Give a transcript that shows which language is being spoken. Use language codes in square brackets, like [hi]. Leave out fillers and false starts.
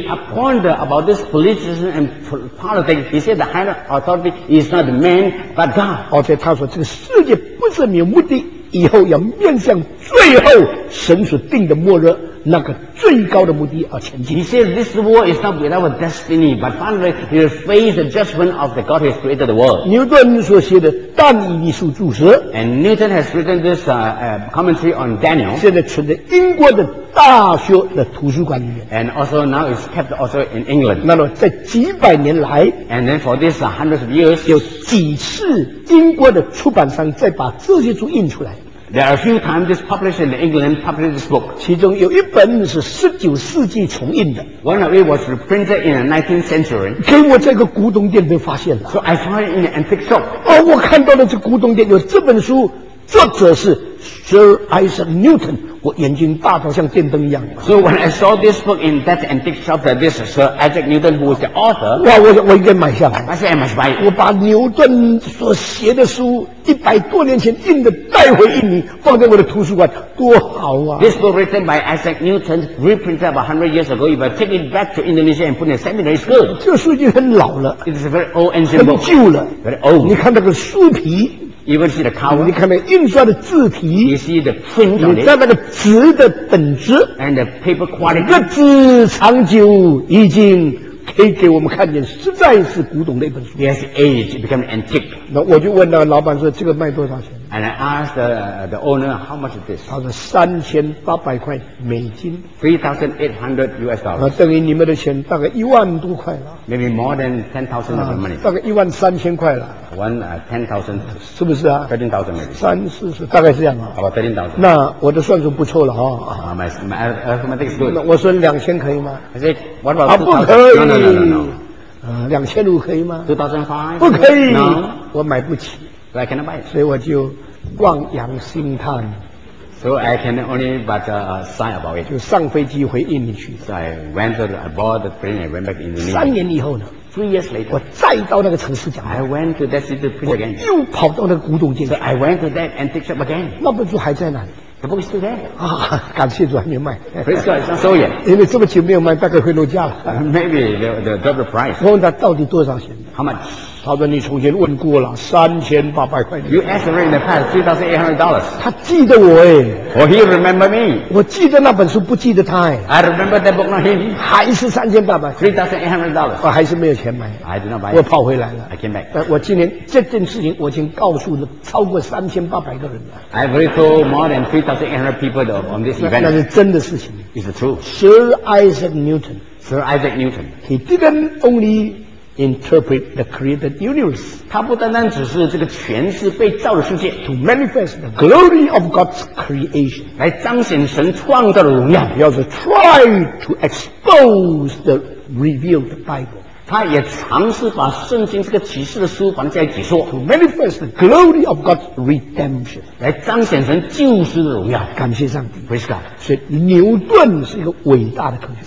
[en] He pondered about this politician and politics. He said the higher authority is not man but God. [zh] 而且他说这个世界不是没有目的，以后要面向最后神所定的末日。那个最高的目的而前进。 [en] He says this world is not without a destiny, but finally it will face the judgment of the God who has created the world. [zh] 牛顿所写的《但以理书》注释 [en] ，and Newton has written this commentary on Daniel. [zh] 现在存在英国的大学的图书馆里面 [en] ，and also now is kept also in England. [zh] 那么在几百年来 [en] ，and then for these hundreds of years, [zh] 有几次英国的出版商再把这些书印出来。 [en] There are a few times this publisher in England published this book. [zh] 其中有一本是19世纪重印的。 [en] One of it was reprinted in the 19th century. [zh] 给我在一个古董店被发现了。 [en] So I found it in an antique shop. [zh] 哦，我看到了这古董店有这本书，作者是 Sir Isaac Newton. 我眼睛大到像电灯一样。 [en] So when I saw this book in that antique shop, that this is Sir Isaac Newton, who was the author. [zh] 哇，我应该买下来。 [en] I said I must buy it. [zh] 我把牛顿所写的书。一百多年前印的带回印尼放在我的图书馆多好啊 [en] This book written by Isaac Newton reprinted about 100 years ago if I take it back to Indonesia and put it in a seminary it's good [zh] 这个书已经很老了 [en] It's a very old ancient book [zh] 很旧了 [en] Very old [zh] 你看那个书皮 [en] Even see the cover [zh] 你看那个印刷的字体 [en] You see the print on it [zh] 你在那个纸的本质 [en] And the paper quality [zh] 个字长久已经可以给我们看见实在是古董的一本书 [en] Yes, age become antique [zh] 那我就问了老板说这个卖多少钱 [en] And I asked the owner how much is this [zh] 他说3800块美金 [en] $3,800 [zh] 那等于你们的钱大概10,000多块了 [en] Maybe more than $10,000 money [zh] 大概13,000块了 [en] 10,000 [zh] 是不是啊 [en] $13,000 maybe [zh] 3,400大概是这样啊 [en] About $13,000 [zh] 那我的算数不错了、 [en] My arithmetic is good [zh] 那我说2000可以吗 [en] I said what about 2000 No. [zh] 2500可以吗 [en] 2005? [zh] 不可以 [en] No. [zh] 我买不起 [en] But I cannot buy it. [zh] 所以我就望洋兴叹 [en] So I can only but sigh about it. [zh] 就上飞机回印尼去 [en] So I went to aboard the plane and went back to Indonesia. [zh] 三年以后呢 [en] Three years later. [zh] 我再到那个城市讲 [en] I went to that city to preach again. [zh] 我又跑到那个古董店 [en] So I went to that antique shop again. [zh] 那本书还在哪里 [en] The book is still there. [zh] 啊，感谢主还没卖。 [en] Praise God, it's not sold yet. [zh] 因为这么久没有卖，大概会落价了。 [en] Maybe the double price. [zh] 问他到底多少钱 [en] ？How much? [zh] 他说你从前问过了，3800块。 [en] You asked me in the past $3,800. [zh] 他记得我哎。 [en] Oh, he remember me. [zh] 我记得那本书，不记得他哎。 [en] I remember that book, not him. [zh] 还是3800。 [en] $3,800. [zh] 我还是没有钱买。 [en] I did not buy. [zh] 我跑回来了。 [en] I came back. [zh] 我今天这件事情，我已经告诉了超过3800个人了。 [en] I've already told more than 3,800 people on this event. [zh] 那是真的事情。 [en] Is it true? Sir Isaac Newton. Sir Isaac Newton. He didn't only. Interpret the created universe. [zh] 他不单单只是这个全是被造的世界 [en] to manifest the glory of God's creation. [zh] 来彰显神创造的荣耀 [en] He also tried to expose the revealed Bible. [zh] 他也尝试把圣经这个启示的书放在解说 [en] to manifest the glory of God's redemption. [zh] 来彰显神救赎的荣耀感谢上帝 [en] Praise God. [zh] 所以牛顿是一个伟大的科学家